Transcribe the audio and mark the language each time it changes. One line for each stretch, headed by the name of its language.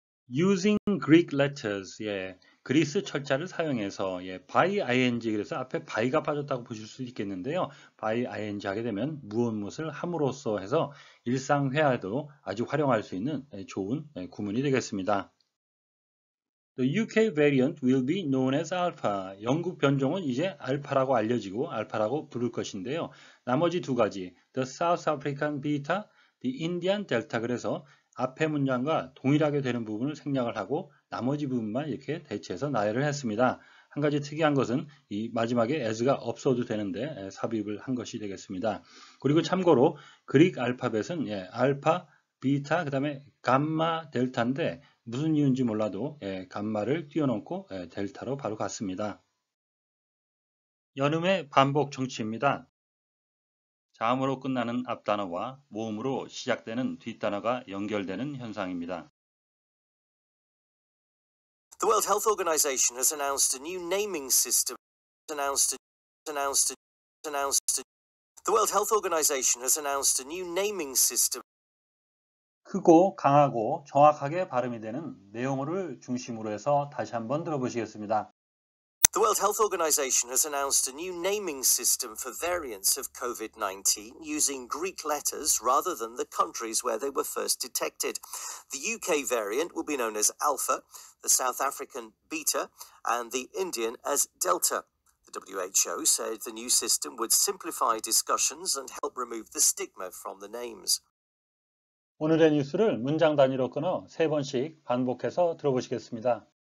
English: Using Greek letters,
Korean: 그리스 철자를 사용해서 by ing 그래서 앞에 by가 빠졌다고 보실 수 있겠는데요. by ing 하게 되면 무엇무엇을 함으로써 해서 일상회화에도 아주 활용할 수 있는 좋은 구문이 되겠습니다.
English: The UK variant will be known as Alpha.
Korean: 영국 변종은 이제 알파라고 알려지고 알파라고 부를 것인데요. 나머지 두 가지,
English: The South African Beta, The Indian Delta.
Korean: 그래서 앞에 문장과 동일하게 되는 부분을 생략을 하고 나머지 부분만 이렇게 대체해서 나열을 했습니다. 하지만 한 가지 특이한 것은 이 마지막에 as가 없어도 되는데 삽입을 한 것이 되겠습니다. 그리고 참고로 그릭 알파벳은 예, 알파, 비타, 그 다음에 감마, 델타인데 무슨 이유인지 몰라도 예, 감마를 띄워놓고 예, 델타로 바로 갔습니다. 연음의 반복 정치입니다. 자음으로 끝나는 앞단어와 모음으로 시작되는 뒷단어가 연결되는 현상입니다.
English: The World Health Organization has announced a new naming system. The World Health Organization has announced a new naming system.
Korean: 크고 강하고 정확하게 발음이 되는 내용어를 중심으로 해서 다시 한번 들어보시겠습니다.
English: The World Health Organization has announced a new naming system for variants of COVID-19 using Greek letters rather than the countries where they were first detected. The UK variant will be known as Alpha, the South African Beta, and the Indian as Delta. The WHO said the new system would simplify discussions and help remove the stigma from the names.
Korean: 오늘의 뉴스를 문장 단위로 끊어 세 번씩 반복해서 들어보시겠습니다.